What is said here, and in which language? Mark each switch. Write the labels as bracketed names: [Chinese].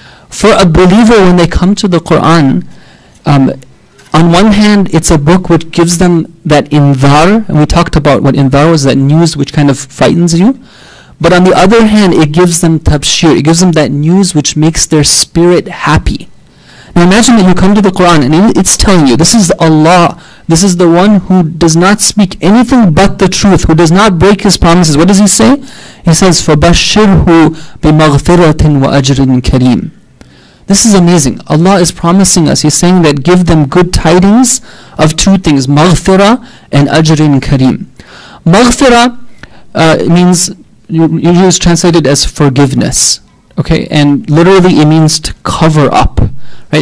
[English] For a believer, when they come to the Qur'an, on one hand, it's a book which gives them that inzar, and we talked about what inzar was, that news which kind of frightens you. But on the other hand, it gives them tabshir, it gives them that news which makes their spirit happy. Now imagine that you come to the Qur'an, and it's telling you, this is Allah, this is the one who does not speak anything but the truth, who does not break his promises. What does he say? He says, [Arabic] فَبَشِّرْهُ بِمَغْفِرَةٍ وَأَجْرٍ كَرِيمٍ. [English] This is amazing. Allah is promising us. He's saying that give them good tidings of two things, maghfirah and ajrin kareem. Maghfirah means, usually it's translated as forgiveness. Okay, and literally it means to cover up. Right?